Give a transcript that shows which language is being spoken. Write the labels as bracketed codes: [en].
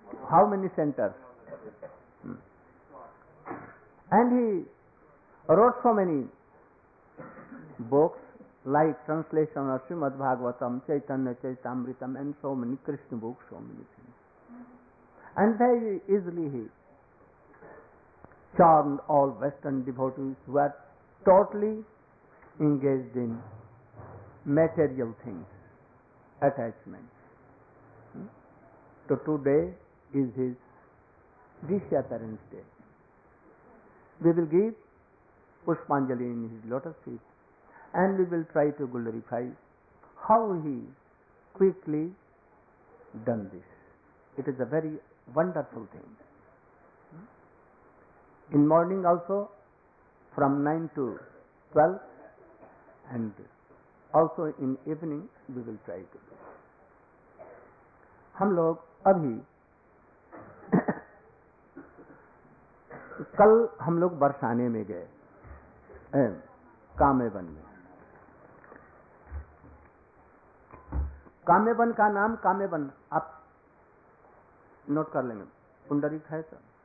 [en] How many centres and he wrote so many books like translation of Srimad Bhagavatam, Chaitanya Charitamritam and so many Krishna books, so many things. And very easily he charmed all Western devotees who were totally engaged in material things, attachments. So today is his disappearance day. We will give Pushpanjali in his lotus feet and we will try to glorify how he quickly done this. It is a very wonderful thing. In morning also from 9 to 12 and also in evening we will try to do. [hi] Hum log abhi कल हम लोग बरसाने में गए कामेवन में। कामेवन का नाम कामेवन आप नोट कर लेंगे, पुंडरीक है सर।